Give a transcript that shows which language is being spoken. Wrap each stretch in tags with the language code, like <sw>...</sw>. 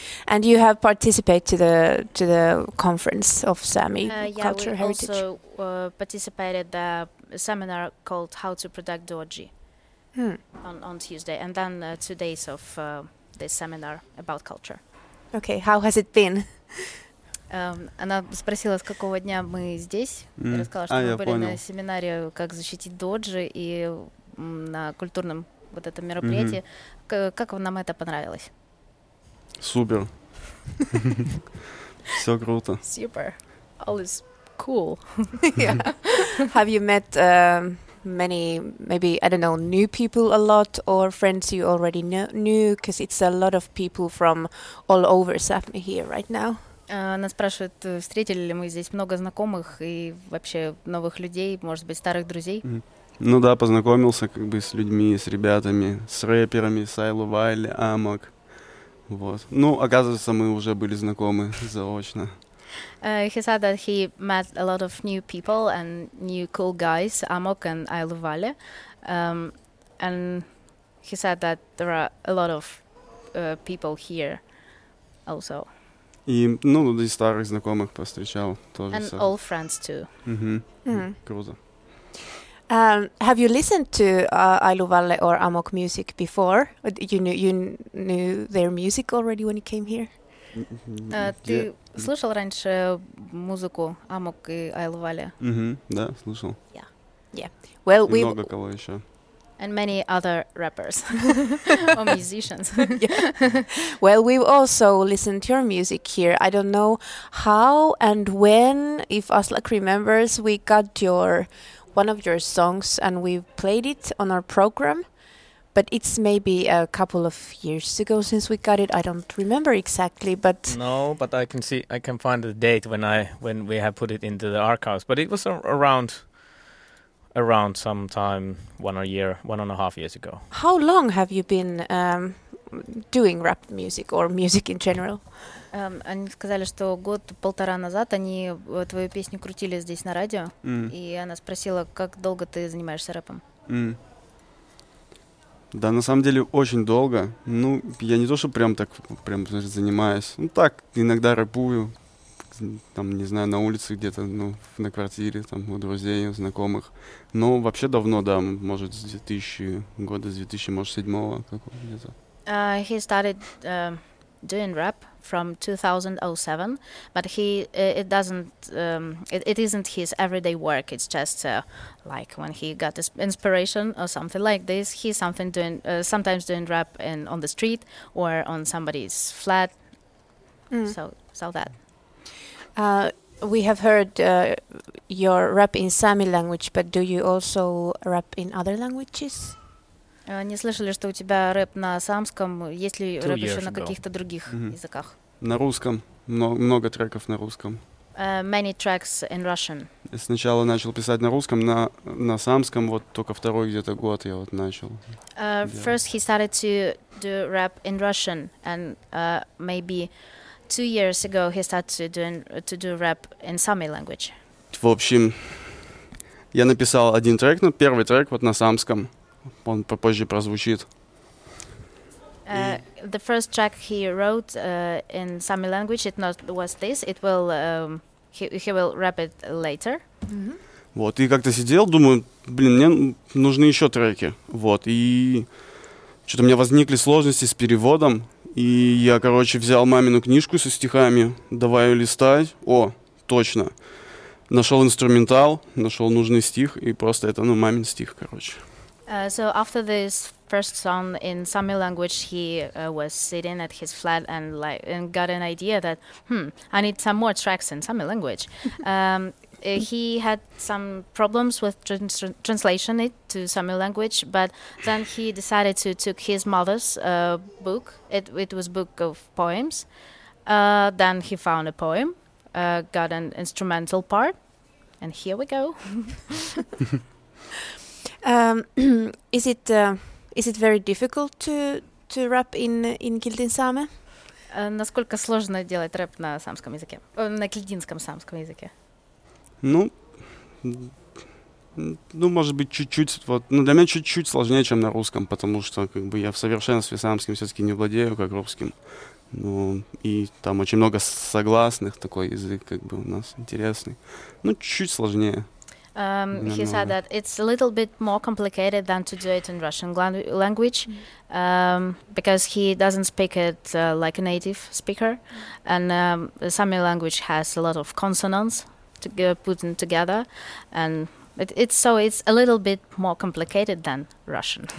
<en>And you have participated to the conference of Sami Culture we Heritage. We also participated the seminar called How to Protect Dorji on Tuesday. And then 2 days of this seminar about culture. Okay. How has it been?</en> <ru>Она спросила, с какого дня мы здесь. Mm. Я рассказала, что мы были на семинаре «Как защитить доджи» и на культурном вот этом мероприятии. Как нам это понравилось? Супер. Все круто.</ru> <en>Super. All is cool. Yeah. Have you met many, maybe, I don't know, new people a lot or friends you already knew? Because it's a lot of people from all over Sapmi here right now.</en> <ru>Она спрашивает, встретили ли мы здесь много знакомых и вообще новых людей, может быть, старых друзей? Mm. Ну да, познакомился как бы с людьми, с ребятами, с рэперами, с Айлу Вайли, Амок. Вот. Ну, оказывается, мы уже были знакомы заочно.</ru> <en>He said that he met a lot of new people and new cool guys, Amok and Айлу Вайли. And he said that there are a lot of people here also.</en> <ru>И, ну, и старых знакомых повстречал тоже.</ru> <en>And all friends too.</en> <ru>Круто.</ru> <en>Have you listened to Айлу Вайли or Амок music before? You knew their music already when you came here?</en> <ru>Ты слышал раньше музыку Амок и Айлу Вайли? Да, слышал.</ru> <en>Yeah. Well,</en> <ru>и много кого еще.</ru> <en>And many other rappers or musicians. Yeah. Well, we've also listened to your music here. I don't know how and when, if Aslak remembers, we got one of your songs and we played it on our program. But it's maybe a couple of years ago since we got it. I don't remember exactly, but... No, but I can find the date when we have put it into the archives. But it was around some time, one and a half years ago. How long have you been doing rap music or music in general?</en> <ru>Они сказали, что год-полтора назад они твою песню крутили здесь на радио, и она спросила, как долго ты занимаешься рэпом? Да, на самом деле, очень долго. Ну, я не то, что прям занимаюсь. Ну, так, иногда рэпую, там, не знаю, на улице где-то, ну, на квартире, там, у друзей, у знакомых. Ну, вообще давно, да, может, с 2000 года, с 2000, может, 7-го какого-то.</ru> <en>He started doing rap from 2007, but he it isn't his everyday work. It's just like when he got this inspiration or something like this, he's sometimes doing rap in on the street or on somebody's flat. So that. We have heard your rap in Sami language, but do you also rap in other languages?</en> <ru>Не слышали, что у тебя рэп на самском. Есть ли рэп еще на каких-то других языках? На русском. Много треков на русском.</ru> <en>Many tracks in Russian.</en> <ru>Я сначала начал писать на русском, на самском вот только второй где-то год я вот начал.</ru> <en>First he started to do rap in Russian and maybe 2 years ago he started to do rap in Sami language.</en> <ru>В общем, я написал один трек, но первый трек вот на самском. Он попозже прозвучит.</ru> <en>The first track he wrote in Sami language, it not was this. It will he will rap it later.</en> <ru>Вот, и как-то сидел, думаю, блин, мне нужны еще треки. Вот, и что-то у меня возникли сложности с переводом. И я, короче, взял мамину книжку со стихами, давай листать. О, точно. Нашел инструментал, нашел нужный стих, и просто это, ну, мамин стих, короче.</ru> <en>So after this first song in Sami language, he was sitting at his flat and got an idea that I need some more tracks in Sami language. He had some problems with translation it to Sami language, but then he decided to took his mother's book. It was book of poems. Then he found a poem, got an instrumental part, and here we go. is it very difficult to rap in Kiltin Same?</en> <ru>Насколько сложно делать рэп на самском языке? На кильдинском самском языке? Ну, может быть, чуть-чуть. Вот, ну, для меня чуть-чуть сложнее, чем на русском, потому что как бы я в совершенстве самским все-таки не владею, как русским. Ну, и там очень много согласных, такой язык как бы у нас интересный. Ну, чуть-чуть сложнее.</ru> <en>He said that it's a little bit more complicated than to do it in Russian language, because he doesn't speak it like a native speaker, and the Sami language has a lot of consonants to put in together, and it's a little bit more complicated than Russian.</en>